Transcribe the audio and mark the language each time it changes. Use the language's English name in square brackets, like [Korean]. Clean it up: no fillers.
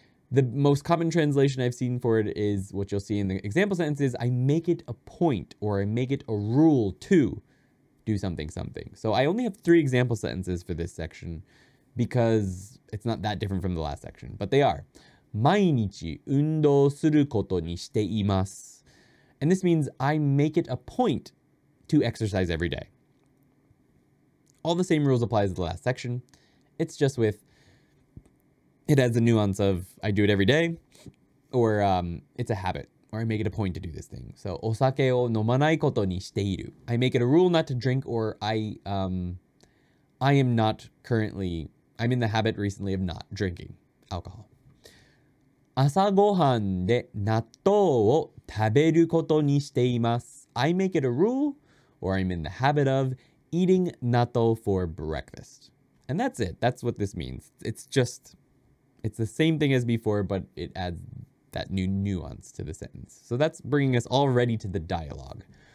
[English] The most common translation I've seen for it is what you'll see in the example sentences, I make it a point or I make it a rule to. Do something, something. So I only have three example sentences for this section because it's not that different from the last section, but they are. [Japanese] 毎日運動することにしています。 [English] And this means I make it a point to exercise every day. All the same rules apply as the last section. It's just with, it adds a nuance of I do it every day or it's a habit. Or I make it a point to do this thing. [Japanese] So, お酒を飲まないことにしている。 [English] I make it a rule not to drink, or I am not currently, I'm in the habit recently of not drinking alcohol. [Japanese] 朝ごはんで納豆を食べることにしています。 [English] I make it a rule, or I'm in the habit of eating natto for breakfast. And that's it. That's what this means. It's just, it's the same thing as before, but it adds... that new nuance to the sentence. So that's bringing us already to the dialogue.